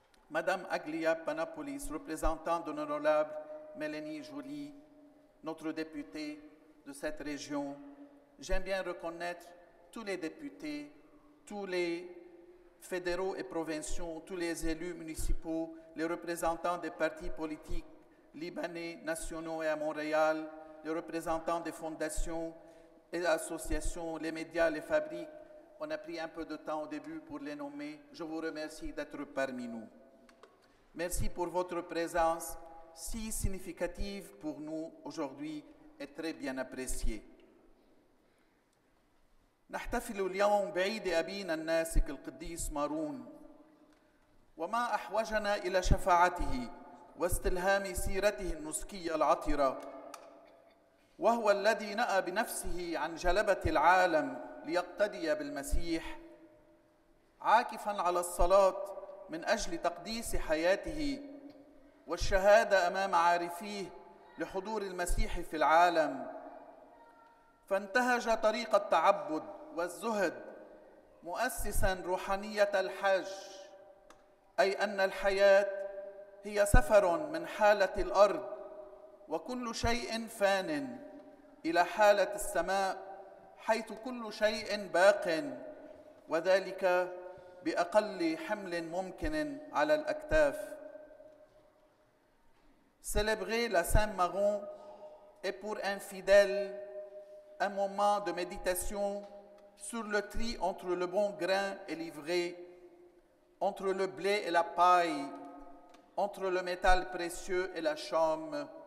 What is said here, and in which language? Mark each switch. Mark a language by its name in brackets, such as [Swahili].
[French] Madame Aglia Panopoulos, représentante de l'honorable Mélanie Joly, notre députée de cette région, j'aime bien reconnaître tous les députés, tous les fédéraux et provinciaux, tous les élus municipaux, les représentants des partis politiques libanais, nationaux et à Montréal, les représentants des fondations et associations, les médias, les fabriques. On a pris un peu de temps au début pour les nommer. Je vous remercie d'être parmi nous. Merci pour votre présence si significative pour nous aujourd'hui et très bien appréciée. [Arabic] نحتفل اليوم بعيد أبينا الناسك القديس مارون وما أحوجنا إلى شفاعته واستلهام سيرته النسكية العطرة وهو الذي نأى بنفسه عن جلبة العالم ليقتدي بالمسيح عاكفا على الصلاة من أجل تقديس حياته والشهادة أمام عارفيه لحضور المسيح في العالم فانتهج طريق التعبد والزهد مؤسسا روحانية الحج أي أن الحياة هي سفر من حالة الأرض وكل شيء فان إلى حالة السماء حيث كل شيء باق وذلك بأقل حمل ممكن على الأكتاف. [French] Célébrer la Saint-Maron est pour un fidèle un moment de méditation sur le tri entre le bon grain et l'ivraie, entre le blé et la paille, entre le métal précieux et la chaume.